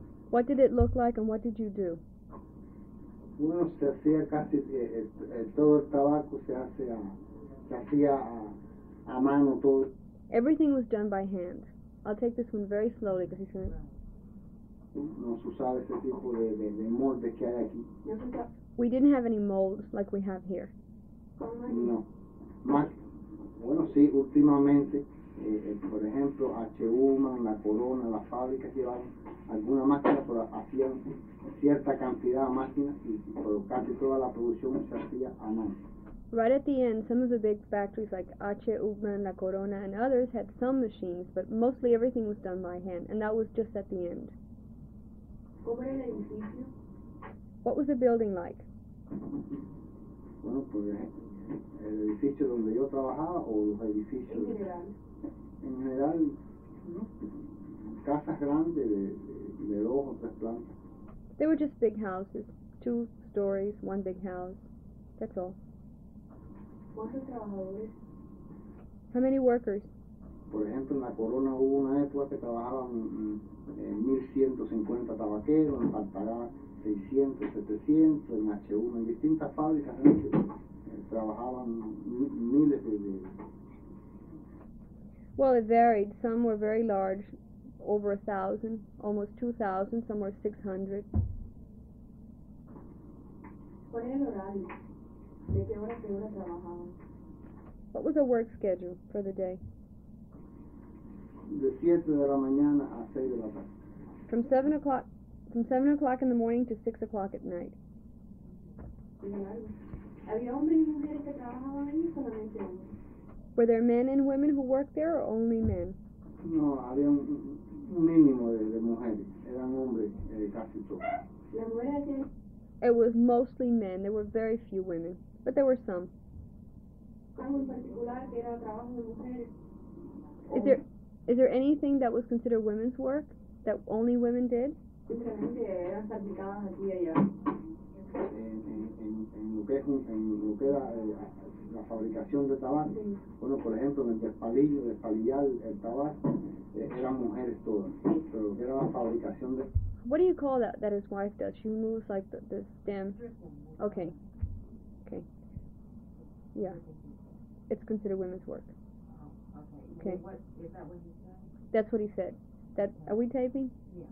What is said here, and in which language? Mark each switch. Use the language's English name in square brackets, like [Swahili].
[English] What did it look like and what did you do? [Spanish] Bueno, se hacía casi todo el tabaco se hacía a mano todo. [English] Everything was done by hand. I'll take this one very slowly because he's going to... [Spanish] No se usaba ese tipo de molde que hay aquí. [English] We didn't have any molds like we have here. [Spanish] No. Más, bueno, sí, últimamente, por ejemplo, H.U.M.A., La Corona, las fábricas llevaban alguna máquina, pero hacían cierta cantidad de máquinas y casi toda la producción se hacía a mano. [English] Right at the end, some of the big factories like H.U.M.A., La Corona, and others had some machines, but mostly everything was done by hand, and that was just at the end. [Spanish] ¿Cómo era el edificio? [English] What was the building like? [Spanish] Bueno, pues el edificio donde yo trabajaba o los edificios. En general, ¿no? Casas grandes de dos o tres plantas. [English] They were just big houses, two stories, one big house. That's all. [Spanish] ¿Cuántos trabajadores? [English] How many workers? [Spanish] Por ejemplo, en La Corona hubo una época que trabajaban 1,150 tabaqueros, en Pantará 600, 700, en H1, en distintas fábricas trabajaban miles de. [English] Well, it varied. Some were very large, over 1,000, almost 2,000, some were 600. [Spanish] ¿Cuál era el horario? ¿De qué hora a qué hora trabajaban? [English] What was the work schedule for the day? [Spanish] De 7 de la mañana a 6 de la tarde. [English] From 7 o'clock in the morning to 6 o'clock at night. [Spanish] ¿Había hombres y mujeres que trabajaban ahí o solamente hombres? [English] Were there men and women who worked there or only men? [Spanish] No, había un mínimo de mujeres. Eran hombres casi todos. ¿Las mujeres qué? [English] It was mostly men. There were very few women, but there were some. [Spanish] ¿Algo en particular que era trabajo de mujeres? [English] Is there anything that was considered women's work that only women did? [Spanish] Simplemente eran fabricadas aquí y allá. En lo que era la fabricación de tabaco. Sí. Bueno, por ejemplo, en el despalillo, despalillar el tabaco, eran mujeres todas. Pero que era la fabricación de. [English] What do you call that his wife does? She moves like the stem. Okay. Okay. Yeah. It's considered women's work. Okay. Okay. That's what he said. That are we taping? Yeah.